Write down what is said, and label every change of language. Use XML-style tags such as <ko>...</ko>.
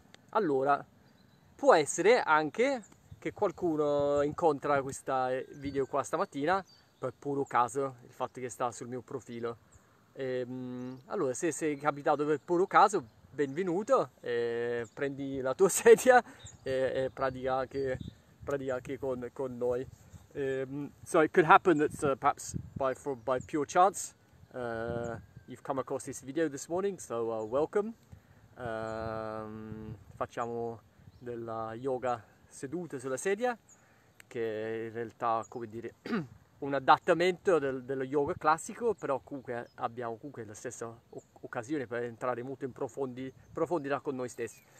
<it>Allora, può essere anche che qualcuno incontra questo video qua stamattina per puro caso, il fatto che sta sul mio profilo. Allora, se sei capitato per puro caso, benvenuto, prendi la tua sedia e pratica anche con noi.</it> <en>So it could happen that perhaps by pure chance you've come across this video this morning, so welcome.</en> <it>Facciamo della yoga seduta sulla sedia, che in realtà, come dire, un adattamento dello yoga classico, però comunque abbiamo comunque la stessa occasione per entrare molto in profondità con noi stessi.</it>